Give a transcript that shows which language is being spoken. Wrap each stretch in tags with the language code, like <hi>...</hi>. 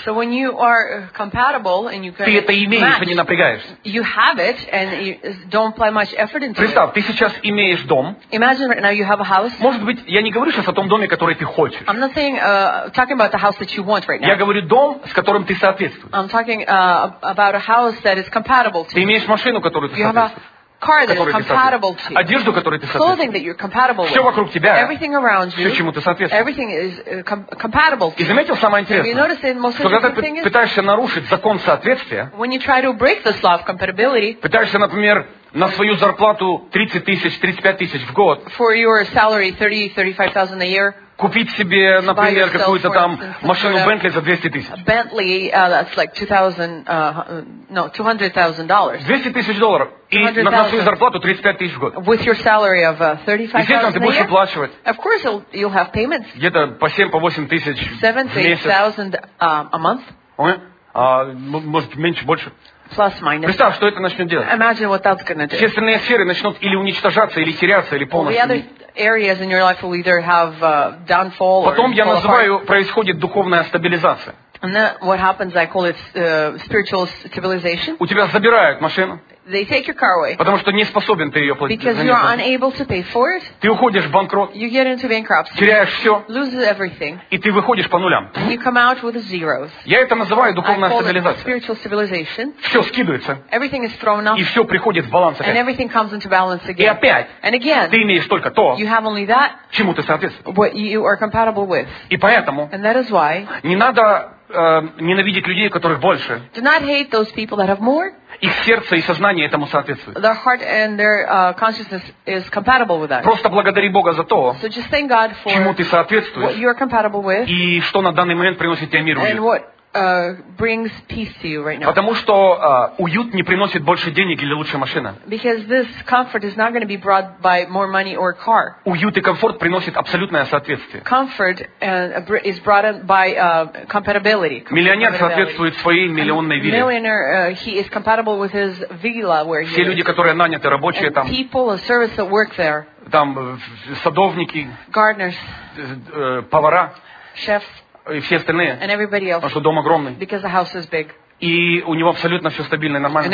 <en>so when you are compatible and you can</en> <ru>ты это имеешь,</ru> <en>match,</en> <ru>а не напрягаешься.</ru> <en>You have it and you don't apply much effort into</en> <ru>представь,</ru> <en>it.</en> <ru>Ты сейчас имеешь дом.</ru> <en>Imagine right now you have a house.</en> <ru>Может быть, я не говорю сейчас о том доме, который ты хочешь.</ru> <en>I'm not saying, talking about the house that you want right now.</en> <ru>Я говорю дом, с которым ты соответствуешь.</ru> <en>I'm talking about a house that is compatible to</en> <ru>ты имеешь машину, которую ты</ru> <en>you</en> <ru>соответствуешь.</ru> <en>Car that is compatible to you.</en> <ru>Одежду, которой ты соответствуешь.</ru> <en>Clothing that you're compatible with.</en> <ru>Все вокруг тебя.</ru> <en>Everything around you.</en> <ru>Все, чему ты соответствуешь.</ru> <en>Everything is compatible to you.</en> <ru>И заметил самое интересное?</ru> <en>You notice the most interesting thing is,</en> <ru>когда ты пытаешься нарушить закон соответствия,</ru> <en>when you try to break this law of compatibility,</en> <ru>пытаешься, например, на свою зарплату 30 тысяч, 35 тысяч в год,</ru> <en>for your salary 30-35 thousand a year,</en> <ru>купить себе, например, какую-то там машину Bentley за 200 тысяч.</ru> <en>Bentley, that's like 2000, no, $200,000.</en> <ru>200 тысяч долларов. И на свою зарплату 35 тысяч в год.</ru> <en>With your salary of 35,000 a year.</en> <ru>Естественно, ты будешь выплачивать.</ru> <en>Of course, you'll have payments.</en> <ru>Где-то по 7, по 8 тысяч в месяц.</ru> <en>7,000 a month.</en> <ru>Может, меньше, больше.</ru> <en>Plus, minus.</en> <ru>Представь, что это начнет делать.</ru> <en>Imagine what that's going to do.</en> <ru>Все остальные сферы начнут или уничтожаться, или теряться, или полностью...</ru> <en>areas in your life will either have downfall</en> <ru>потом</ru> <en>or fall</en> <ru>я называю</ru> <en>apart.</en> <ru>Происходит духовная стабилизация.</ru> <en>And then what happens, I call it spiritual stabilization.</en> <ru>У тебя забирают машину.</ru> <en>They take your car away.</en> <ru>Потому что не способен ты ее платить.</ru> <en>Because you're unable to pay for it.</en> <ru>Ты уходишь в банкрот.</ru> <en>You get into bankruptcy.</en> <ru>Теряешь все.</ru> <en>Lose everything.</en> <ru>И ты выходишь по нулям.</ru> <en>And you come out with zeros.</en> <ru>Я это называю духовная стабилизация.</ru> <en>I call it spiritual stabilization.</en> <ru>Все скидывается.</ru> <en>Everything is thrown off.</en> <ru>И все приходит в баланс опять.</ru> <en>And everything comes into balance again.</en> <ru>И опять.</ru> <en>And again.</en> <ru>Ты имеешь только то.</ru> <en>You have only that.</en> <ru>Чему ты соответствуешь?</ru> <en>What you are compatible with.</en> <ru>И поэтому.</ru> <en>And that is why.</en> <ru>Не надо ненавидеть людей, которых больше.</ru> <en>Do not hate those people that have more.</en> <ru>Их сердце и сознание этому соответствуют.</ru> <en>Their heart and their consciousness is compatible with that.</en> <ru>Просто благодари Бога за то,</ru> <en>so just thank God for</en> <ru>чему ты соответствуешь,</ru> <en>what you are compatible with,</en> <ru>и что на данный момент приносит тебе мир.</ru> <en>And what brings peace to you right now.</en> <ru>Потому что уют не приносит больше денег или лучшая машина.</ru> <en>Because this comfort is not going to be brought by more money or car.</en> <ru>Уют и комфорт приносит абсолютное соответствие.</ru> <en>Comfort is brought by compatibility.</en> <ru>Миллионер соответствует своей миллионной вилле.</ru> <en>Millionaire, he is compatible with his villa where he</en> <ru>все люди, которые наняты, рабочие там.</ru> <en>People, a service that work there.</en> <ru>Там садовники.</ru> <en>Gardeners.</en> <ru>Повара.</ru> <en>Chefs.</en> <ru>И все остальные,</ru> <en>and everybody else,</en> <ru>потому что дом огромный.</ru> <en>Because the house is big.</en> <ru>И у него абсолютно все стабильно и нормально.</ru>